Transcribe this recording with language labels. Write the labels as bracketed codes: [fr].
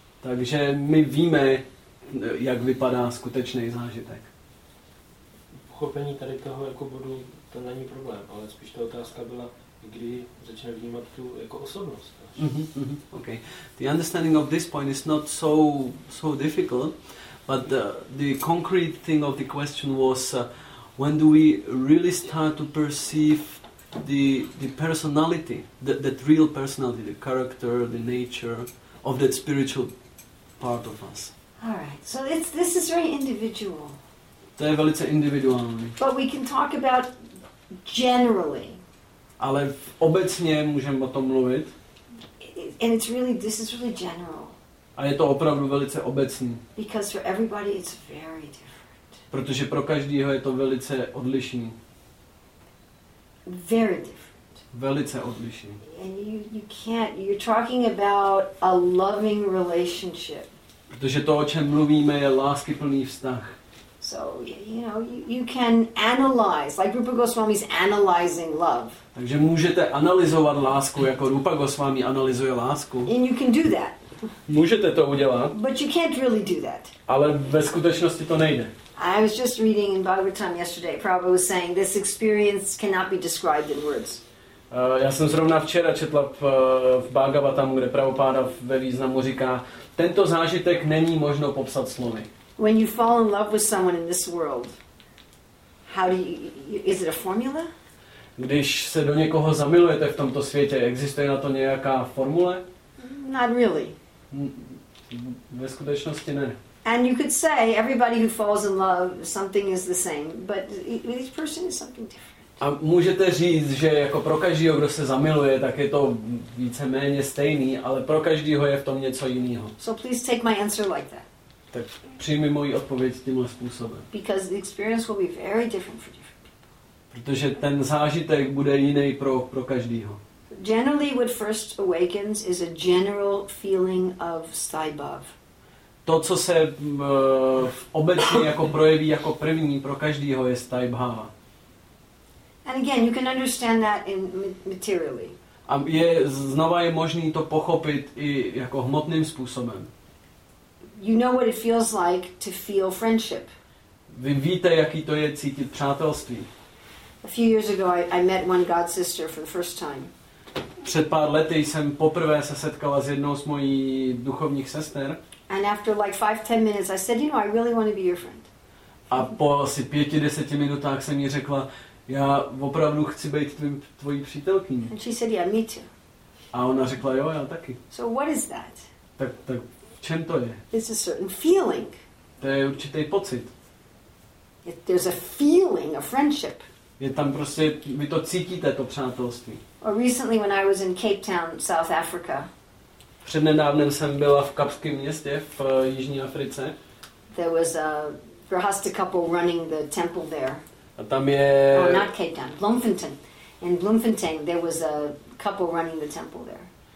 [cs] Takže my víme, jak vypadá skutečný zážitek. Pochopení tady toho jako bodu, to není problém, ale spíš ta otázka byla, kdy začne vnímat tu jako osobnost. [en] Okay. The understanding of this point is not so difficult, but the concrete thing of the question was when do we really start to perceive the personality, that real personality, the character, the nature of that spiritual part of us. All right. So this is very individual. [cs] To je velice individuální. [en] But we can talk about generally. [cs] Ale obecně můžeme o tom mluvit. [en] And this is really general. [cs] A je to opravdu velice obecný. [en] Because for everybody it's very different. [cs] Protože pro každého je to velice odlišný. [en] Very different. [cs] Velice odlišný. [en] And you can't, you're talking about a loving relationship. [cs] Protože to, o čem mluvíme, je láskyplný vztah. [en] So you know you can analyze like Rupa Goswami's analyzing love. [cs] Takže můžete analyzovat lásku jako Rupa Goswami analyzuje lásku. [en] And you can do that. [cs] Můžete to udělat. [en] But you can't really do that. [cs] Ale ve skutečnosti to nejde. [en] I was just reading in Bhagavatam yesterday. Prabhupada was saying this experience cannot be described in words. [cs] Já jsem zrovna včera četla v Bhagavatamu, kde Prabhupada ve významu říká, tento zážitek není možno popsat slovy. [en] When you fall in love with someone in this world, how do you, is it a formula? [cs] Když se do někoho zamilujete v tomto světě, existuje na to nějaká formule? [en] Not really. [cs] Ve skutečnosti ne. [en] And you could say everybody who falls in love, something is the same, but each person is something different. [cs] A můžete říct, že jako pro každého, kdo se zamiluje, tak je to víceméně stejný, ale pro každého je v tom něco jiného. [en] So please take my answer like that. [cs] Tak přijmi moji odpověď tímhle způsobem. [en] Because the experience will be very different for different people. [cs] Protože ten zážitek bude jiný pro každého. [en] Generally, what first awakens is a general feeling of sthaibhav. [cs] To, co se obecně jako projeví jako první pro každého, je sthaibhava. [en] And again, you can understand that in materially. [cs] A je znova je možný to pochopit i jako hmotným způsobem. [en] You know what it feels like to feel friendship. [cs] Vy víte, jaký to je cítit přátelství. [en] A few years ago I met one god sister for the first time. [cs] Před pár lety jsem poprvé se setkala s jednou z mojich duchovních sester. [en] And after like 5-10 minutes I said, you know, I really want to be your friend. [cs] A po asi 5-10 minutách jsem jí řekla, já opravdu chci být tvojí přítelkyní. [en] And she said, yeah, me too. [cs] A ona řekla, jo, já taky. [en] So what is that? [cs] Tak čem to je? [en] It's a certain feeling. [cs] To je určitý pocit. [en] There's a feeling of friendship. [cs] Je tam prostě, vy to cítíte, to přátelství. [en] Or recently when I was in Cape Town, South Africa. [cs] Přednedávnem jsem byla v Kapském městě v Jižní Africe. [en] There was a Grahasta couple running the temple there. [cs] A tam je... [en] Oh, not Cape Town, Bloemfontein. In Bloemfontein there was a couple running the temple there.